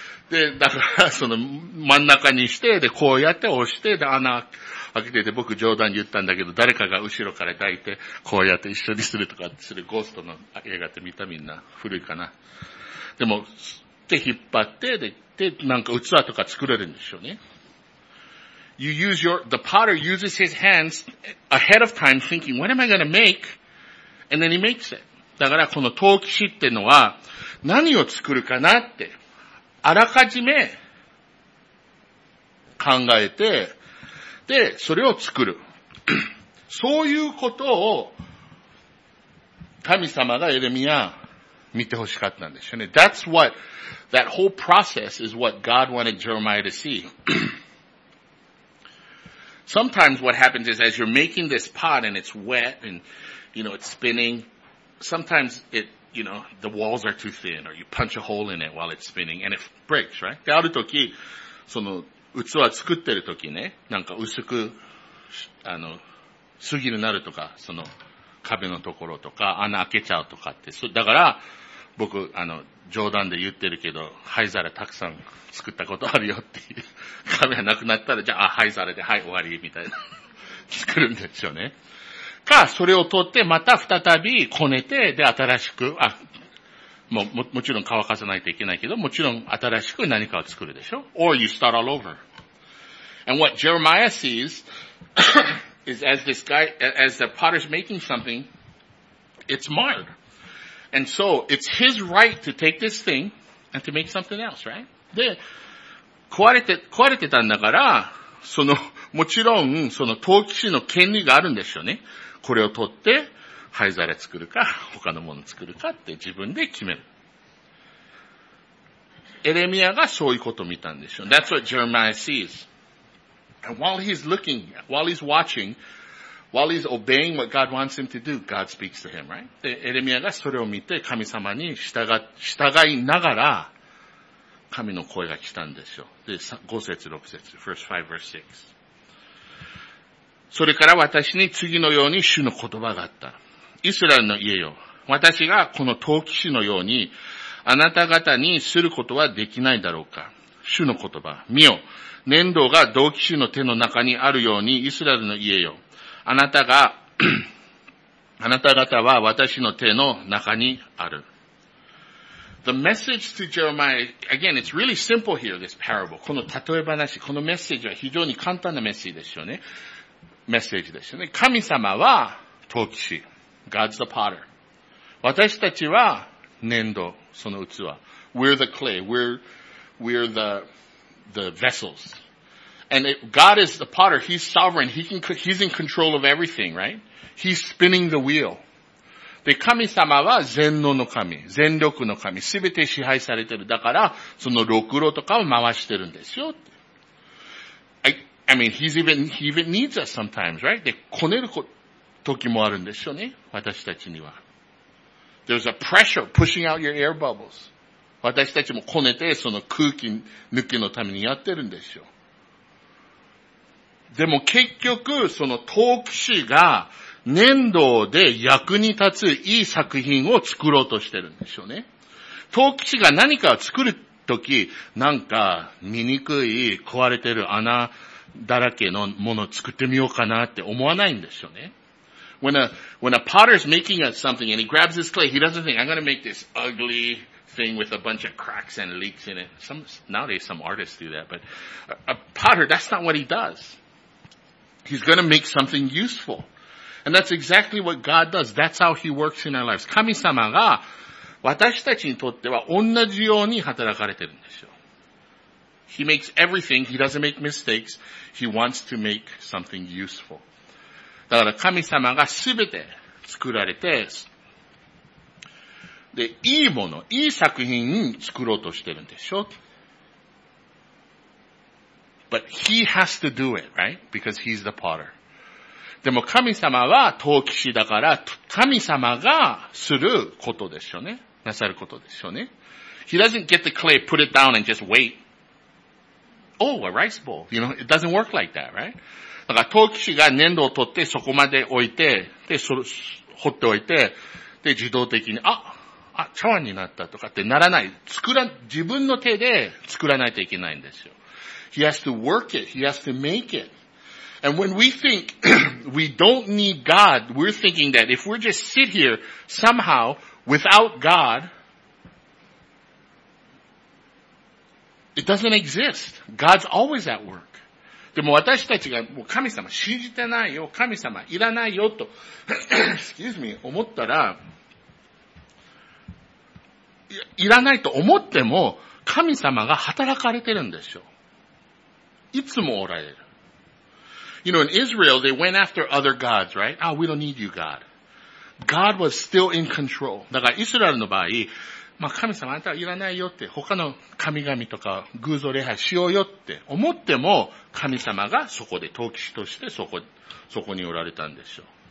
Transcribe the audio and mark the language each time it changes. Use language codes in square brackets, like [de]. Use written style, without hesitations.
[ja] で、だから、その、真ん中にして、で、こうやって押して、で、穴開けてて、僕冗談言ったんだけど、誰かが後ろから抱いて、こうやって一緒にするとかする、ゴーストの映画って見たみんな、古いかな。でも、って引っ張って、で、なんか器とか作れるんでしょうね。 [en] You use your, the potter uses his hands ahead of time thinking, what am I going to make? And then he makes it. [ja] だからこの陶器師ってのは何を作るかなってあらかじめ考えてでそれを作る。そういうことを神様がエレミア見てほしかったんですよね。 [en] That's what, that whole process is what God wanted Jeremiah to see. Sometimes what happens is as you're making this pot and it's wet and, you know, it's spinning, sometimes it, you know, the walls are too thin or you punch a hole in it while it's spinning and it breaks, right? [ja] で、ある時、その器作ってる時ね、なんか薄く、あの、すぎるなるとか、その壁のところとか穴開けちゃうとかって、そだから、僕、あの、冗談で言ってるけど、灰皿たくさん作ったことあるよっていう。壁がなくなったら、じゃあ、灰皿で、はい、終わり、みたいな。作るんですよね。か、それを取って、また再びこねて、で、新しく、あ、もちろん乾かさないといけないけど、もちろん新しく何かを作るでしょ。 [en] Or you start all over. And what Jeremiah sees is as this guy, as the potter's making something, it's marred. And so, it's his right to take this thing and to make something else, right? [ja] で、壊れてたんだから、その、もちろん、その、陶器師の権利があるんでしょうね。これを取って、灰皿作るか、他のもの作るかって自分で決める。エレミアがそういうことを見たんでしょう。 [en] That's what Jeremiah sees. And while he's looking, while he's watching,While he's obeying what God wants him to do, God speaks to him, right? [ja] で、エレミアがそれを見て神様に従いながら神の声が来たんですよ。で、5節、6節、 [en] first 5 verse 6。 [ja] それから私に次のように主の言葉があった。イスラエルの家よ。私がこの陶器師のようにあなた方にすることはできないだろうか。主の言葉。見よ。粘土が陶器師の手の中にあるようにイスラエルの家よ。あなた方は私の手の中にある。 [en] The message to Jeremiah, again, it's really simple here, this parable. [ja] この例え話、このメッセージは非常に簡単なメッセージですよね。メッセージですよね。神様は陶器師。 [en] God's the potter. [ja] 私たちは粘土、その器。 [en] We're the clay. We're the vessels. And it, God is the potter. He's sovereign. He's in control of everything, right? He's spinning the wheel. [ja] で、神様は全能の神、全力の神、すべて支配されてる。だから、そのろくろとかを回してるんですよ。 [en] I mean, he even needs us sometimes, right? [ja] で、こねる時もあるんですよね。私たちには。 [en] There's a pressure pushing out your air bubbles. [ja] 私たちもこねて、その空気抜きのためにやってるんですよ。でも結局その陶器師が粘土で役に立ついい作品を作ろうとしてるんでしょうね。陶器師が何かを作るとき、なんか醜い壊れてる穴だらけのものを作ってみようかなって思わないんでしょうね。 [en] When a potter is making something and he grabs his clay, he doesn't think, I'm going to make this ugly thing with a bunch of cracks and leaks in it. Nowadays some artists do that, but a potter, that's not what he does. He's gonna make something useful. And that's exactly what God does. That's how He works in our lives. [ja] 神様が私たちにとっては同じように働かれてるんですよ。 [en] He makes everything. He doesn't make mistakes. He wants to make something useful. [ja] だから神様がすべて作られて、で、いいもの、いい作品作ろうとしてるんでしょ。 [en] But he has to do it, right? Because he's the potter. [ja] でも神様は陶器師だから、神様がすることでしょうね。なさることでしょうね。 [en] He doesn't get the clay, put it down, and just wait. Oh, a rice bowl. You know, it doesn't work like that, right? [ja] だから陶器師が粘土を取ってそこまで置いて、で、それ、掘っておいて、で、自動的に、あ、茶碗になったとかってならない。自分の手で作らないといけないんですよ。 [en] He has to work it. He has to make it. And when we think we don't need God, we're thinking that if we're just sit here somehow without God, it doesn't exist. God's always at work. [ja] でも私たちがもう神様信じてないよ、神様いらないよと [en] excuse me, [ja] 思ったら いらないと思っても神様が働かれてるんでしょう。いつもおられる。 [en] You know, in Israel, they went after other gods, right? Oh, we don't need you, God. God was still in control. [ja] だからイスラエルの場合、まあ、神様あなたはいらないよって、他の神々とか偶像礼拝しようよって思っても、神様がそこで統治師としてそこにおられたんでしょう。